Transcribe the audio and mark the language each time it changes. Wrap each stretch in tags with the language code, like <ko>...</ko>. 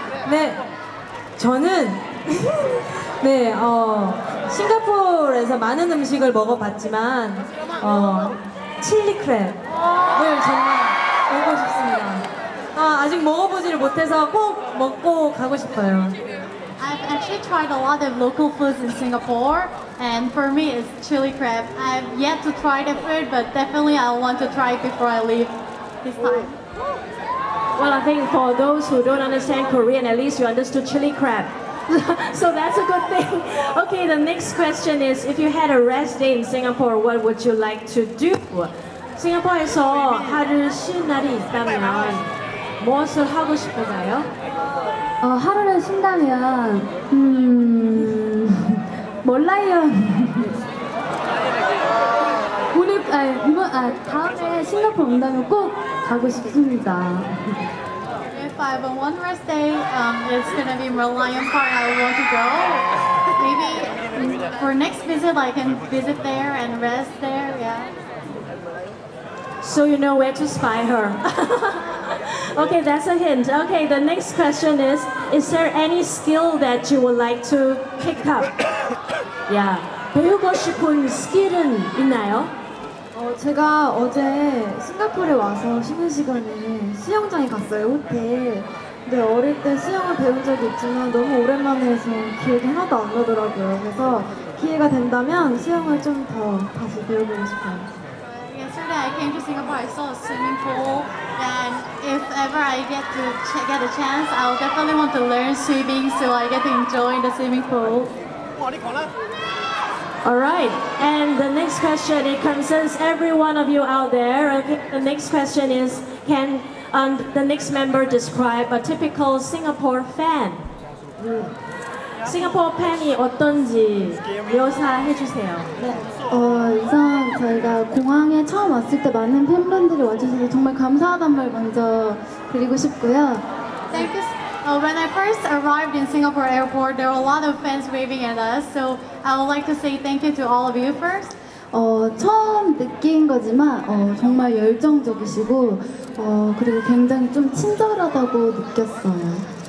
<ko>네, 저는 네, 싱가포르에서 많은 음식을 먹어봤지만 칠리 크랩을 정말 먹고 싶습니다. 아, 아직 먹어보지를 못해서 꼭 먹고 가고 싶어요.</ko> <en>I've actually tried a lot of local foods in Singapore, and for me it's chili crab. I've yet to try the food, but definitely I want to try it before I leave this time. Well, I think for those who don't understand Korean, at least you understood chili crab. So that's a good thing. Okay, the next question is, if you had a rest day in Singapore, what would you like to do?</en> <ko>싱가포르에서 하루 쉬는 날이 있다면 무엇을 하고 싶은가요? 하루를 쉰다면 몰라요. 오늘 다음에 싱가포르 온다면 꼭 가고 싶습니다.</ko> <en>If I have a one rest day, it's gonna be more Lion Park. I want to go. Maybe for next visit, I can visit there and rest there. Yeah. So you know where to spy her. Okay, that's a hint. Okay, the next question is there any skill that you would like to pick up? Yeah.</en> <ko>배우고 싶은 스킬은 있나요? 제가 어제 싱가포르에 와서 쉬는 시간에 수영장에 갔어요, 호텔. 근데 어릴 때 수영을 배운 적이 있지만 너무 오랜만에 해서 기억이 하나도 안 나더라고요. 그래서 기회가 된다면 수영을 좀 더 다시 배워보고 싶어요.</ko> <en>Yesterday I came to Singapore, I saw a swimming pool, and if ever I get a chance, I'll definitely want to learn swimming so I get to enjoy the swimming pool. Alright, and the next question, it concerns every one of you out there. Okay, the next question is, can the next member describe a typical Singapore fan?</en> <ko>Singapore fan이 어떤지 묘사해 주세요. 우선 저희가 공항에 처음 왔을 때 많은 팬분들이 와주셔서 정말 감사하다는 말 먼저 드리고 싶고요.</ko> <en>Thank you. When I first arrived in Singapore airport, there were a lot of fans waving at us. So I would like to say thank you to all of you first.</en> <ko>처음 느낀 거지만 정말 열정적이시고 그리고 굉장히 좀 친절하다고 느꼈어요.</ko>